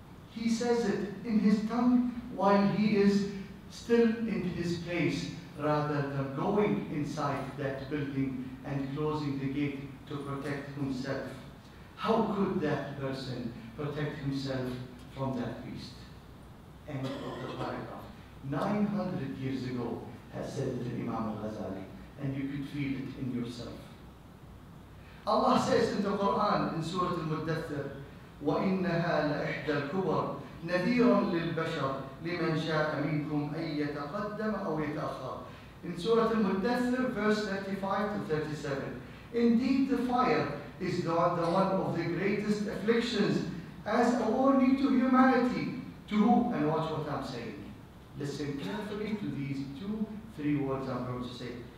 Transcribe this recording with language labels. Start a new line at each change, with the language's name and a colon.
English: He says it in his tongue while he is still in his place, rather than going inside that building and closing the gate to protect himself. How could that person protect himself from that beast? End of the paragraph. 900 years ago, has said it in Imam al-Ghazali, and you could feel it in yourself. Allah says in the Quran, in Surah Al-Muddathir,
Arabic: وَإِنَّهَا لَإِحْدَى الْكُبَرِ نَذِيرٌ لِلْبَشَرِ لِمَنْ شَاءَ مِنْكُمْ أَنْ يَتَقَدَّمَ أَوْ يَتَأْخَرَ.
English: In Surah Al-Muddathir, verse 35 to 37, indeed the fire is the one of the greatest afflictions as a warning to humanity. To who? And watch what I'm saying. Listen carefully to these two, three words I'm going to say.